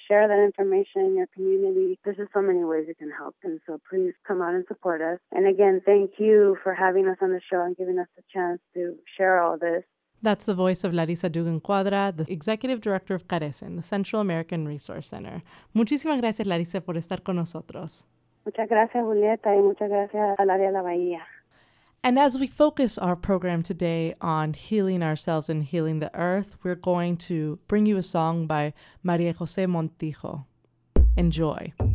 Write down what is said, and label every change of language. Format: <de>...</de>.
<en>Share that information in your community. There's just so many ways you can help, and so please come out and support us. And again, thank you for having us on the show and giving us the chance to share all this. That's the voice of Larissa Dugan Cuadra, the Executive Director of Carecen, the Central American Resource Center.</en> <es>Muchísimas gracias, Larissa, por estar con nosotros. Muchas gracias, Julieta, y muchas gracias al área de la Bahía.</es> <en>And as we focus our program today on healing ourselves and healing the earth, we're going to bring you a song by María José Montijo. Enjoy.</en>